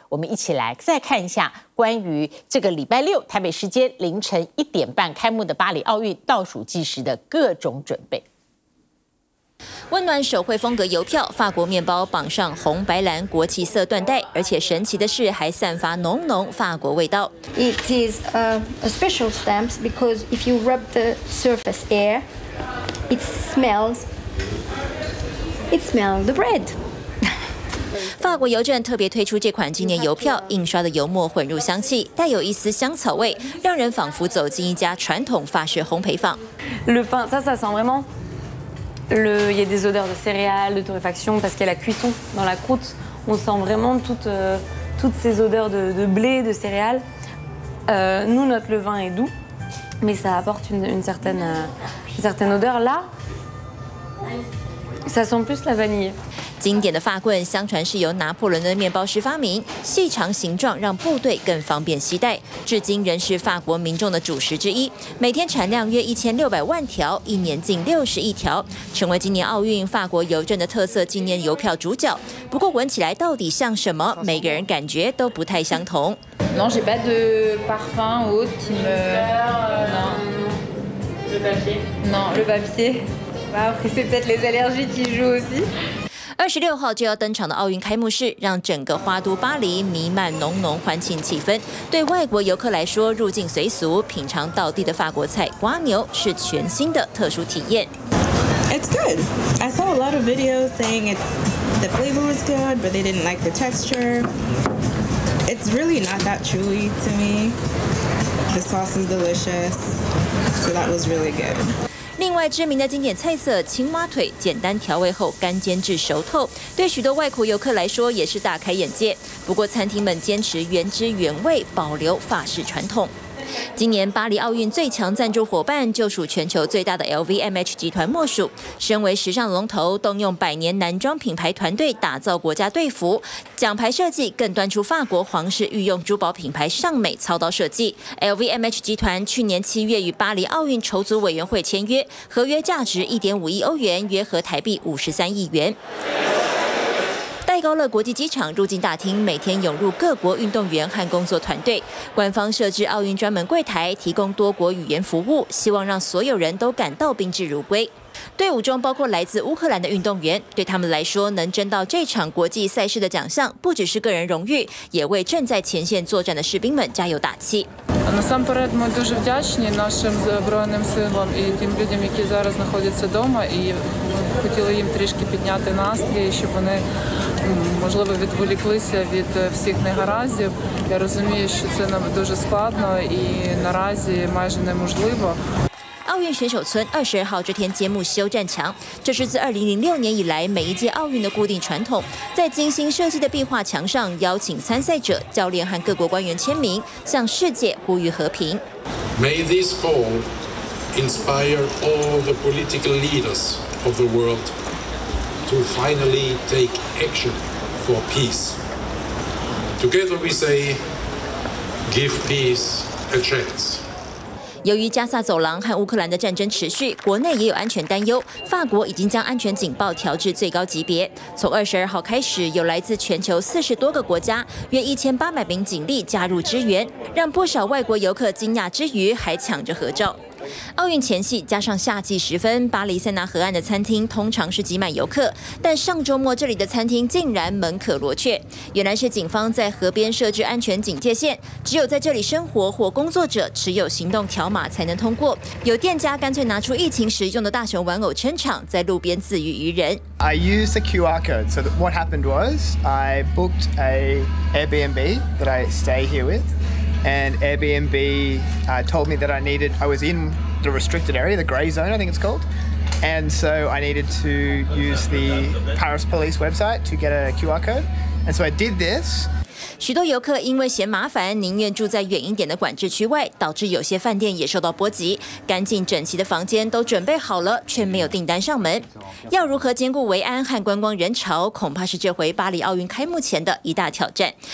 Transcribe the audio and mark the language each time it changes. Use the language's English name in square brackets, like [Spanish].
[Chinese] 我们一起来再看一下关于这个礼拜六台北时间凌晨一点半开幕的巴黎奥运倒数计时的各种准备。温暖手绘风格邮票，法国面包绑上红白蓝国旗色缎带，而且神奇的是还散发浓浓法国味道。 [English] It is a special stamp because if you rub the surface air, it smells the bread. [Chinese] 法国邮政特别推出这款纪念邮票，印刷的油墨混入香气，带有一丝香草味，让人仿佛走进一家传统法式烘焙坊。 [French] Le pain, ça sent vraiment. Il y a des odeurs de céréales, de torréfaction, parce qu'il y a la cuisson dans la croûte. On sent vraiment toutes ces odeurs de blé, de céréales. Nous, notre levain est doux, mais ça apporte une certaine odeur. Là, ça sent plus la vanille. [Chinese] 经典的法棍相传是由拿破仑的面包师发明，细长形状让部队更方便携带，至今仍是法国民众的主食之一。每天产量约1600万条，一年近60亿条，成为今年奥运法国邮政的特色纪念邮票主角。不过闻起来到底像什么，每个人感觉都不太相同。 Non, j'ai pas de parfum ou autre qui me. Non, le papier. Après, c'est peut-être les allergies qui jouent aussi. 26号就要登场的奥运开幕式，让整个花都巴黎弥漫浓浓欢庆气氛。对外国游客来说，入境随俗，品尝道地的法国菜瓜牛是全新的特殊体验。 [English] It's good. I saw a lot of videos saying the flavor was good, but they didn't like the texture. It's really not that chewy to me. The sauce is delicious, so that was really good. [Chinese] 另外知名的经典菜色青蛙腿，简单调味后干煎至熟透，对许多外国游客来说也是大开眼界。不过餐厅们坚持原汁原味，保留法式传统。今年巴黎奥运最强赞助伙伴就属全球最大的 LVMH 集团莫属。身为时尚龙头，动用百年男装品牌团队打造国家队服，奖牌设计更端出法国皇室御用珠宝品牌尚美操刀设计。 LVMH 集团去年七月与巴黎奥运筹组委员会签约，合约价值1.5亿欧元，约合台币53亿元。高乐国际机场入境大厅每天涌入各国运动员和工作团队，官方设置奥运专门柜台，提供多国语言服务，希望让所有人都感到宾至如归。队伍中包括来自乌克兰的运动员，对他们来说，能争到这场国际赛事的奖项，不只是个人荣誉，也为正在前线作战的士兵们加油打气。 [Ukrainian] Насамперед ми дуже вдячні нашим збройним силам і тим людям, які зараз знаходяться вдома, і хотіли їм трішки підняти настрій, щоб вони, можливо, відволіклися від всіх негараздів. Я розумію, що це нам дуже складно і наразі майже неможливо. [Chinese] 奥运选手村22号这天揭幕修战墙，这是自2006年以来每一届奥运的固定传统。在精心设计的壁画墙上，邀请参赛者、教练和各国官员签名，向世界呼吁和平。 [English] May this call inspire all the political leaders of the world to finally take action for peace. Together we say, give peace a chance. [Chinese] 由于加萨走廊和乌克兰的战争持续，国内也有安全担忧。法国已经将安全警报调至最高级别。从22号开始，有来自全球40多个国家约1800名警力加入支援，让不少外国游客惊讶之余，还抢着合照。奥运前夕加上夏季时分，巴黎塞纳河岸的餐厅通常是挤满游客，但上周末这里的餐厅竟然门可罗雀。原来是警方在河边设置安全警戒线，只有在这里生活或工作者持有行动条码才能通过。有店家干脆拿出疫情时用的大熊玩偶撑场，在路边自娱娱人。 [English] I used a QR code. So what happened was I booked a Airbnb that I stay here with. And Airbnb told me that I was in the restricted area, the grey zone, I think it's called. And so I needed to use the Paris Police website to get a QR code. And so I did this. [Chinese] 许多游客因为嫌麻烦，宁愿住在远一点的管制区外，导致有些饭店也受到波及。干净整齐的房间都准备好了，却没有订单上门。要如何兼顾维安和观光人潮，恐怕是这回巴黎奥运开幕前的一大挑战。